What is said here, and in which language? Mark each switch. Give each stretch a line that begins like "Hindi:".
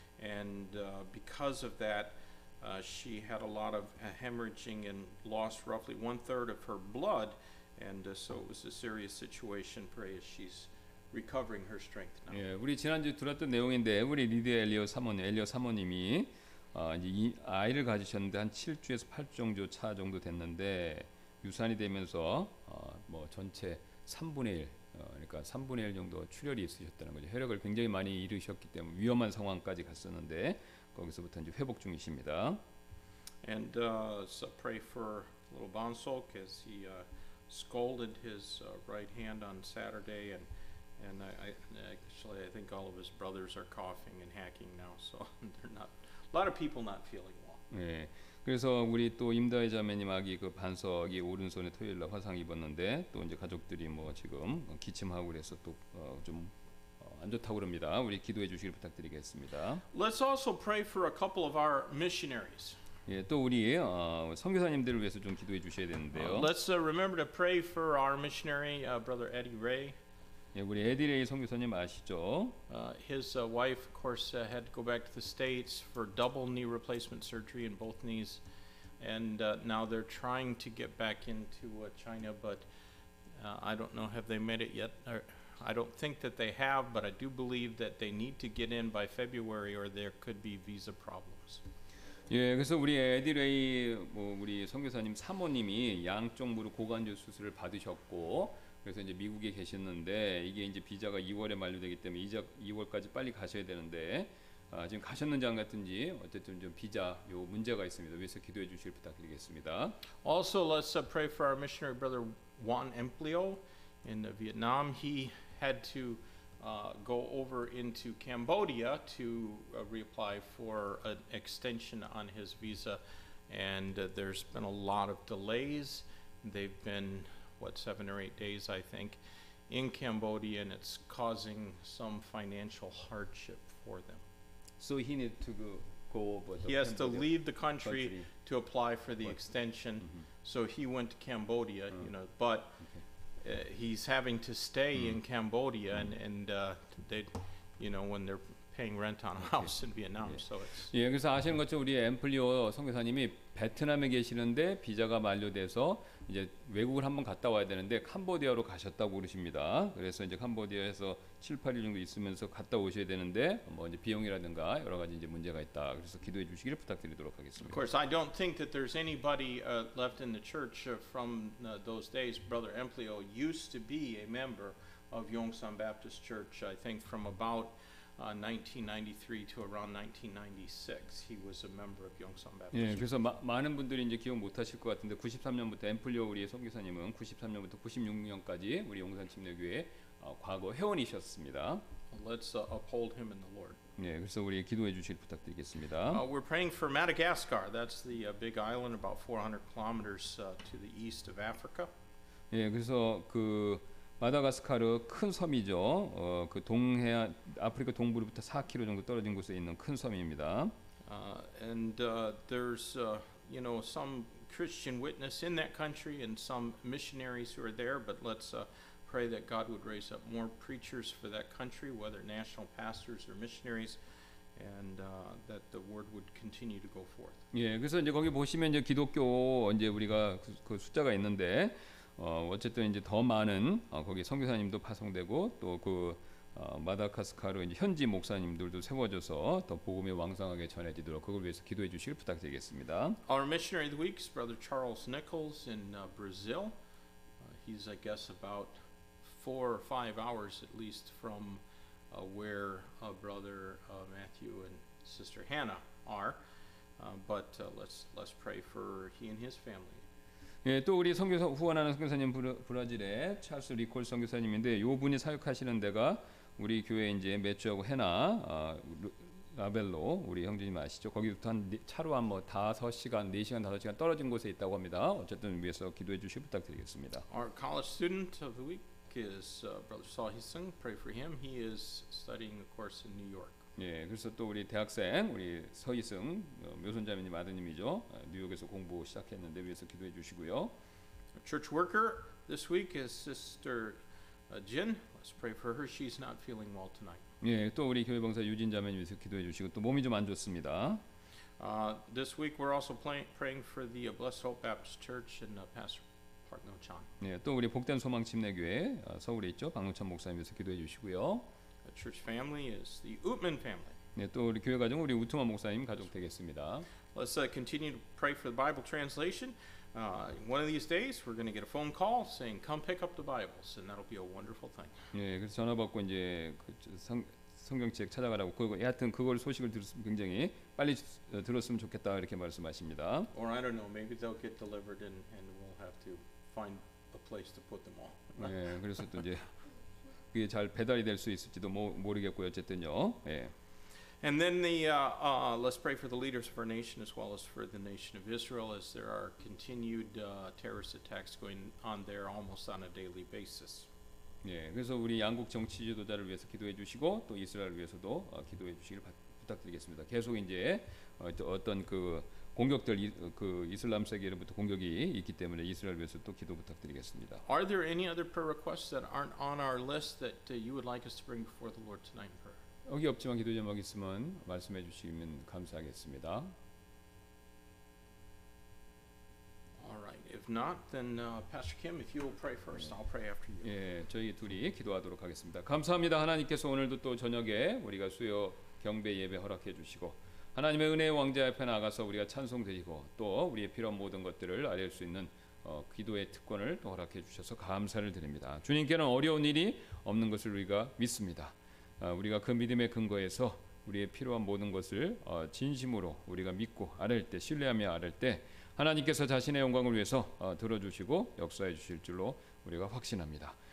English: And because of that, she had a lot of hemorrhaging and lost roughly 1/3 of her blood. And so it was a serious situation. Pray as she's recovering her strength now.
Korean: 예, 우리 지난주 들었던 내용인데 우리 리디아 엘리오 사모님, 엘리오 사모님이 이제 이 아이를 가지셨는데 한 7주에서 8주 정도 차 정도 됐는데 유산이 되면서 뭐 전체 3분의 1 그러니까 3분의 1 정도 출혈이 있으셨다는 거죠. 혈액을 굉장히 많이 잃으셨기 때문에 위험한 상황까지 갔었는데 거기서부터 이제 회복 중이십니다.
English: And so pray for little Bonsok as he scalded his right hand on Saturday and actually I think all of his brothers are coughing and hacking now so they're not a lot of people not feeling well.
Korean: 네. 그래서 우리 또 임다희 자매님 아기 그 반석이 오른손에 토요일 날 화상 입었는데 또 이제 가족들이 뭐 지금 기침하고 그래서 또 좀 안 좋다고 그럽니다. 우리 기도해 주시길 부탁드리겠습니다.
English: Let's also pray for a couple of our missionaries.
Korean: 예, 또 우리 선교사님들을 위해서 좀 기도해 주셔야 되는데요.
English: Let's remember to pray for our missionary brother Eddie Ray.
Korean: 예, 우리 에디 레이 선교사님 아시죠?
English: His wife, of course, had to go back to the States for double knee replacement surgery in both knees, and now they're trying to get back into China, but I don't know have they made it yet. I don't think that they have, but I do believe that they need to get in by February, or there could be visa problems.
Korean: 예, 그래서 우리 에디 레이 뭐 우리 선교사님 사모님이 양쪽 무릎 고관절 수술을 받으셨고. 그래서 이제 미국에 계셨는데 이게 이제 비자가 2월에 만료되기 때문에 이제 2월까지 빨리 가셔야 되는데 지금 가셨는지 안 갔든지 어쨌든 좀 비자 요 문제가 있습니다. 위해서 기도해 주시길 부탁드리겠습니다.
English: Also, let's pray for our missionary brother Juan Emplio in Vietnam. He had to go over into Cambodia to reapply for an extension on his visa, and there's been a lot of delays. They've been what 7 or 8 days I think in Cambodia and it's causing some financial hardship for them. So he needs to go over he has Cambodia to leave the country to apply for the extension. Mm-hmm. So he went to Cambodia, you know, but he's having to stay in Cambodia and they, you know, when they're paying rent on a house in Vietnam. So it's
Korean: 예, 그래서 아시는 것처럼 우리 엠플리오 선교사님이 베트남에 계시는데 비자가 만료돼서 이제 외국을 한번 갔다 와야 되는데 캄보디아로 가셨다고 그러십니다. 그래서 이제 캄보디아에서 7, 8일 정도 있으면서 갔다 오셔야 되는데 뭐 이제 비용이라든가 여러 가지 이제 문제가 있다. 그래서 기도해 주시기를 부탁드리도록 하겠습니다.
English: Of course, I don't think that there's anybody left in the church from those days. Brother Emplio used to be a member of Yongsan Baptist Church. I think from about 1993 to around 1996, he was a member of Yongsan Baptist.
Korean: 예, 그래서 많은 분들이 이제 기억 못하실 것 같은데 93년부터 엠플리오 우리의 선교사님은 93년부터 96년까지 우리 용산 침례교회 과거 회원이셨습니다.
English: Let's uphold him in the Lord.
Korean: 예, 그래서 우리 기도해 주시길 부탁드리겠습니다.
English: We're praying for Madagascar. That's the big island about 400 kilometers to the east of Africa.
Korean: 예, 그래서 그 마다가스카르 큰 섬이죠. 그 동해 아프리카 동부로부터 4km 정도 떨어진 곳에 있는 큰 섬입니다.
English: And there's you know some Christian witness in that country and some missionaries who are there, but let's pray that God would raise up more preachers for that country, whether national pastors or missionaries, and that the word would continue to go forth.
Korean: 예, 그래서 이제 거기 보시면 이제 기독교 이제 우리가 그 숫자가 있는데 어쨌든 이제 더 많은 거기 선교사님도 파송되고 또 그 마다가스카르 이제 현지 목사님들도 세워져서 더 복음이 왕성하게 전해지도록 그걸 위해서 기도해 주시길 부탁드리겠습니다.
English: Our missionary of the week is Brother Charles Nichols in Brazil. He's I guess about 4 or 5 hours at least from where Brother Matthew and Sister Hannah are. But let's pray for he and his family.
Korean: 예, 또 우리 선교사 후원하는 선교사님 브라질의 찰스 리콜 선교사님인데 요 분이 사역하시는 데가 우리 교회 이제 매주하고 해나 라벨로 우리 형제님 아시죠? 거기부터 한 차로 한 뭐 4시간 떨어진 곳에 있다고 합니다. 어쨌든 위해서 기도해 주시기 부탁드리겠습니다.
English: Our college student of the week His brother Seo Hee-sung, pray for him. He is studying a course in New York.
Korean: 예, 그래서 또 우리 대학생 우리 서희승 묘선자매님 아드님이죠. 뉴욕에서 공부 시작했는데 위해서 기도해 주시고요.
English: A church worker this week is Sister Jin. Let's pray for her. She's not feeling well tonight.
Korean: 예, 또 우리 교회 봉사 유진 자매님 위해서 기도해 주시고 또 몸이 좀 안 좋습니다.
English: This week we're also praying for the Blessed Hope Baptist Church and Pastor Park Nong-chan.
Korean: 예, 또 우리 복된 소망 침례교회 서울에 있죠. 박노찬 목사님께서 기도해 주시고요.
English: The church family is the Utman family.
Korean: 예, 또 우리 교회 가정 우리 우트만 목사님 가족 되겠습니다.
English: Let's continue to pray for the Bible translation. One of these days we're going to get a phone call saying come pick up the Bibles and that'll be a wonderful thing.
Korean: 예, 그래서 전화 받고 이제 그 성경책 찾아가라고 그리고 하여튼 그걸 소식을 들었으면 굉장히 빨리 들었으면 좋겠다 이렇게 말씀하십니다.
English: Or I don't know, maybe they'll get delivered and we'll have to find a place to put them all.
Korean: 예, 그래서 또 이제 그게 잘 배달이 될 수 있을지도 모르겠고요. 어쨌든요. 예.
English: And then the let's pray for the leaders of our nation as well as for the nation of Israel as there are continued terrorist attacks going on there almost on a daily basis.
Korean: 예, 그래서 우리 양국 정치 지도자를 위해서 기도해 주시고 또 이스라엘 위해서도 기도해 주시길 부탁드리겠습니다. 계속 이제 어떤 그 공격들 그 이슬람 세계로부터 공격이 있기 때문에 이스라엘 위해서 또 기도 부탁드리겠습니다.
English: Are there any other prayer requests that aren't on our list that you would like us to bring before the Lord tonight in prayer?
Korean: 여기 없지만 기도 제목 있으면 말씀해 주시면 감사하겠습니다.
English: All right. If not, then Pastor Kim, if you will pray first, I'll pray after you.
Korean: 예, 저희 둘이 기도하도록 하겠습니다. 감사합니다. 하나님께서 오늘도 또 저녁에 우리가 수요 경배 예배 허락해 주시고 하나님의 은혜의 왕좌 앞에 나가서 우리가 찬송 드리고 또 우리의 필요한 모든 것들을 아뢰을 수 있는 기도의 특권을 또 허락해 주셔서 감사를 드립니다. 주님께는 어려운 일이 없는 것을 우리가 믿습니다. 우리가 그 믿음의 근거에서 우리의 필요한 모든 것을 진심으로 우리가 믿고 아뢰을 때 신뢰하며 아뢰을 때 하나님께서 자신의 영광을 위해서 들어주시고 역사해 주실 줄로 우리가 확신합니다.